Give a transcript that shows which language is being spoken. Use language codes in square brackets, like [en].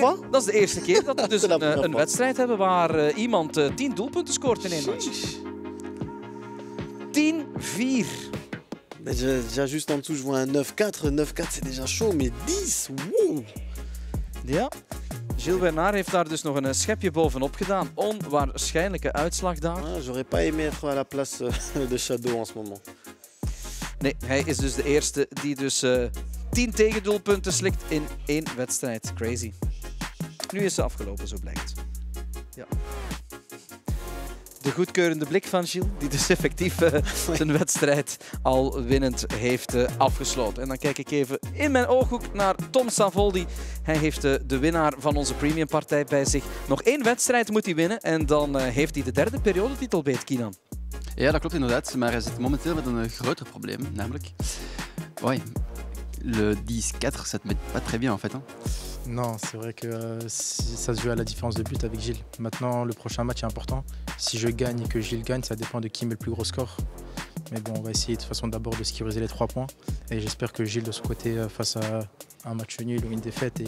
[nl] Dat is de eerste keer dat we dus een wedstrijd hebben waar iemand 10 doelpunten scoort in één match. 10-4. [fr] Déjà juste en dessous, je vois un 9-4. 9-4, c'est déjà chaud, mais 10, wow! [nl] Ja, Gilles Bernard heeft daar dus nog een schepje bovenop gedaan. Onwaarschijnlijke uitslag daar. [fr] Ah, j'aurais pas aimé être à la place de Shadow en ce moment. [nl] Nee, hij is dus de eerste die dus 10 tegendoelpunten slikt in één wedstrijd. Crazy. Nu is ze afgelopen, zo blijkt. Ja. De goedkeurende blik van Gilles, die dus effectief zijn wedstrijd al winnend heeft afgesloten. En dan kijk ik even in mijn ooghoek naar Tom Savoldi. Hij heeft de winnaar van onze premiumpartij bij zich. Nog één wedstrijd moet hij winnen en dan heeft hij de derde periodetitel bij het Kinan. Ja, dat klopt inderdaad, maar hij zit momenteel met een groter probleem, namelijk... [fr] Oui, le 10-4, ça te met pas très bien en fait. Hein. Non, c'est vrai que ça se joue à la différence de but avec Gilles. Maintenant, le prochain match est important. Si je gagne et que Gilles gagne, ça dépend de qui met le plus gros score. Mais bon, on va essayer de toute façon d'abord de sécuriser les 3 points. Et j'espère que Gilles, de son côté, fasse un match nul ou une défaite.